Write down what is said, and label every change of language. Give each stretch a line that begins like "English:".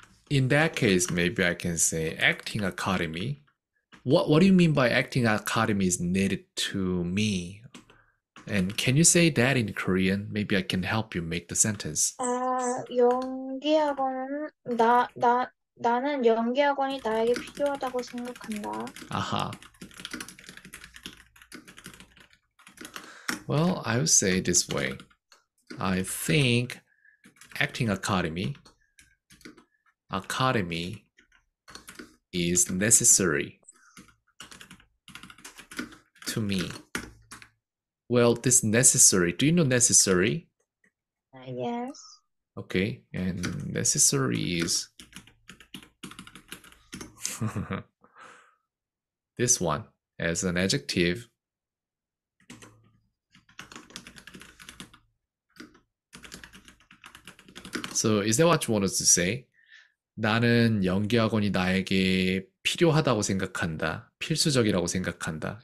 English: In that case, maybe I can say acting academy. What do you mean by acting academy is needed to me? And can you say that in Korean? Maybe I can help you make the sentence.
Korean: 연기 학원은 나는 연기 학원이 나에게 필요하다고 생각한다.
English: Well, I would say this way. I think acting academy. Academy is necessary to me. Well, this necessary. Do you know necessary? Yes. Okay, and necessary is this one as an adjective. So, is that what you wanted to say?
Korean: 나는 연기학원이 나에게 필요하다고 생각한다. 필수적이라고 생각한다.